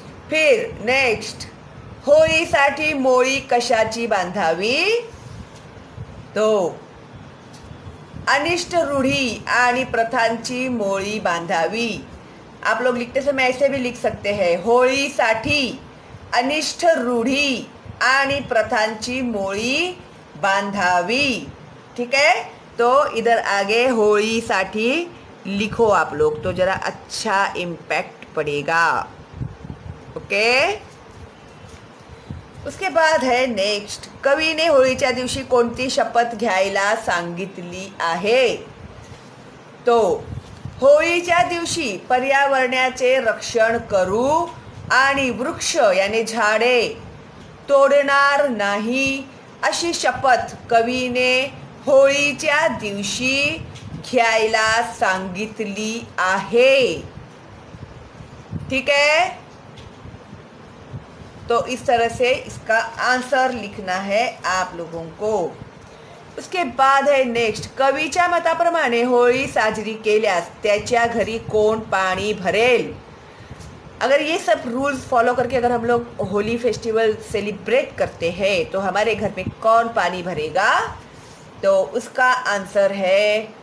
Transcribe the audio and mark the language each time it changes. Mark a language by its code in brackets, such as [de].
[hi] फिर नेक्स्ट, [mr] होळीसाठी मोळी कशाची बांधावी, तो अनिष्ट रूढ़ी आणि प्रथांची मोळी बांधावी। [hi] आप लोग लिखते समय ऐसे भी लिख सकते हैं, [mr] होळीसाठी अनिष्ट रूढ़ी आणि प्रथांची मोळी बांधावी, [hi] ठीक है। तो इधर आगे होळीसाठी लिखो आप लोग, तो जरा अच्छा इम्पैक्ट पड़ेगा। ओके, उसके बाद है नेक्स्ट, [mr] कवि ने होळीच्या दिवशी कोणती शपथ घ्यायला सांगितली आहे, तो होळीच्या दिवशी पर्यावरणाचे रक्षण करू आणि वृक्ष यानी झाडे तोडणार नाही अशी शपथ कवि ने होळीच्या दिवशी घ्यायला सांगितली आहे, ठीक है। [hi] तो इस तरह से इसका आंसर लिखना है आप लोगों को। उसके बाद है नेक्स्ट, [mr] कवीच्या मताप्रमाणे होळी साजरी केल्यास त्याच्या घरी कोण पाणी भरेल, [hi] अगर ये सब रूल्स फॉलो करके अगर हम लोग होली फेस्टिवल सेलिब्रेट करते हैं तो हमारे घर में कौन पानी भरेगा, तो उसका आंसर है